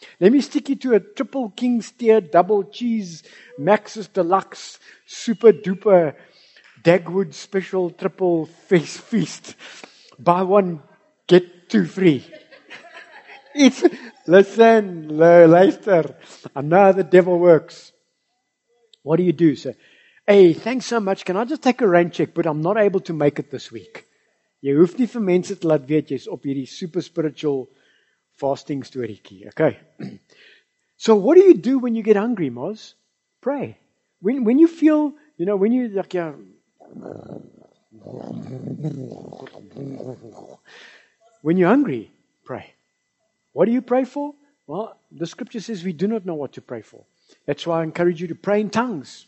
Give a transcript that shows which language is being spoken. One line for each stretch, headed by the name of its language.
English: Let me stick you to a triple king's tier, double cheese, Max's deluxe, super duper Dagwood special triple face feast. Buy one, get two free. Listen, Leicester, I know how the devil works. What do you do, sir? Hey, thanks so much. Can I just take a rain check? But I'm not able to make it this week.
Afrikaans: Jy hoef nie vir mense te laat weet, jy is op hierdie
English: super spiritual fasting
Afrikaans: storiekie.
English: Okay. So what do you do when you get hungry, Moz? Pray. When you feel, you know, when you like, when you're hungry, pray. What do you pray for? Well, the scripture says we do not know what to pray for. That's why I encourage you to pray in tongues.